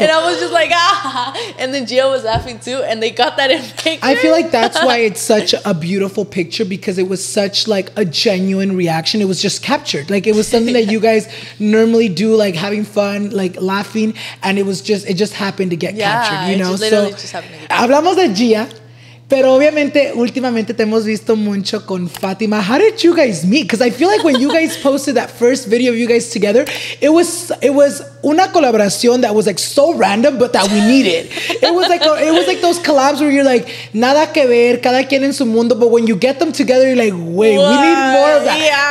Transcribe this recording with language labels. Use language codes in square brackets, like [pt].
[en] And I was just like ah, and then Gia was laughing too, and they got that in picture. I feel like that's why it's such a beautiful picture, because it was such like a genuine reaction. It was just captured, like it was something that you guys normally do, like having fun, like laughing, and it was just, it just happened to get captured, you know? Just literally, [es] so, hablamos de Gia, pero obviamente, últimamente te hemos visto mucho con Fátima. [en] How did you guys meet? Because I feel like when you guys posted that first video of you guys together, it was [es] una colaboración [en] that was like so random, but that we needed. It was like those collabs where you're like, [es] nada que ver, cada quien en su mundo, [en] but when you get them together, you're like, wait, what? We need more of that.